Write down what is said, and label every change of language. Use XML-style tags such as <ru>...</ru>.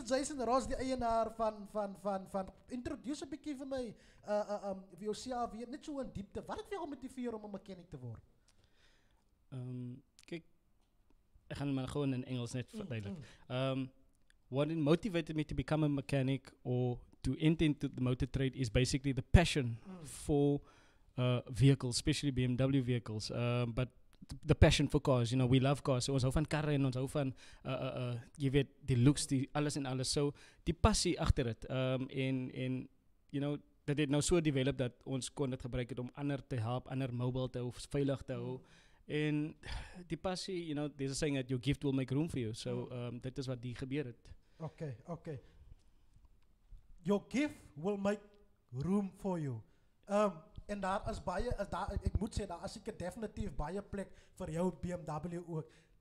<af>Jason Ross, die eienaar van, introduce a bietjie vir my, vir jou CA weer net so in diepte, wat het vir jou motiveer om 'n mechanic te word? Kijk, ek gaan maar gewoon in Engels net verduidelik.</af> <en>What motivated me to become a mechanic or to enter into the motor trade is basically the passion for vehicles, especially BMW vehicles, but the passion for cars, you know, we love cars, so</en> <af>ons hou van karre en ons hou van jy weet, die looks, die alles en alles, so die passie achter het, en you know, dat het nou so develop dat ons kon dit gebruik het om ander te help, ander mobile te hou, veilig te hou. En die passie,</af> <en>you know, there's a saying that your gift will make room for you.</en> <af>So, dit is wat die gebeur het.</af> <en>Okay. Your gift will make room for you.</en> <af>En daar is baie, is daar, ek moet sê, daar is ek definitief baie plek vir jou BMW ook.</af>